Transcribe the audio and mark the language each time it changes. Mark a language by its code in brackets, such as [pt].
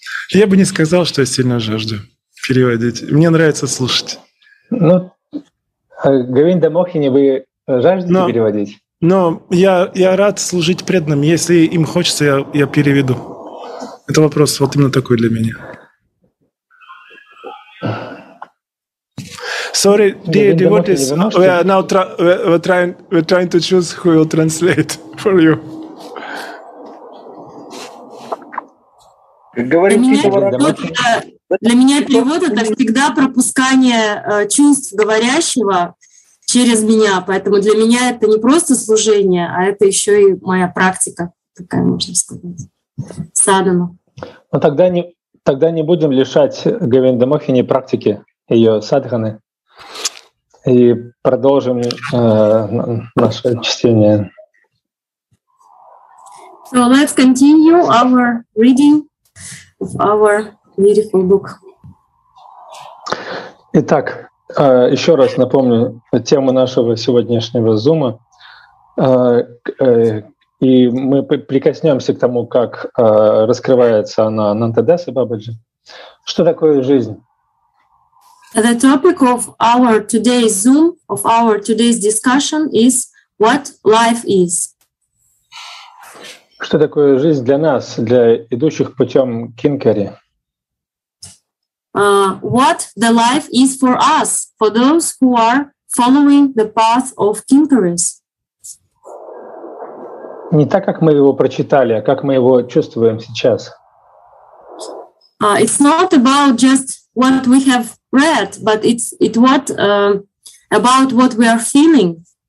[ru] Я бы не сказал, что я сильно жажду переводить. Мне нравится слушать. Ну, Говинда Мохини, вы жаждете переводить? Но я рад служить преданным. Если им хочется, я переведу. Это вопрос вот именно такой для меня. [en] Sorry, dear devotees, we're trying to choose who will translate for you. [ru] Для меня перевод — это всегда пропускание чувств говорящего через меня, поэтому для меня это не просто служение, а это еще и моя практика, такая, можно сказать, садхана. Но тогда не будем лишать Говинда Мохини практики ее садханы и продолжим наше чтение. [en] So let's continue our reading of our beautiful book. [ru] Итак, еще раз напомню тему нашего сегодняшнего зума, и мы прикоснемся к тому, как раскрывается она Нантадаса Бабаджи. Что такое жизнь? [en] The topic of our today's zoom, of our today's discussion, is what life is. [ru] Что такое жизнь для нас, для идущих путем кинкари? [en] What the life is for us, for those who are following the path of kinkaris. [ru] Не так, как мы его прочитали, а как мы его чувствуем сейчас. [en] It's not about just what we have read, but about what we are feeling.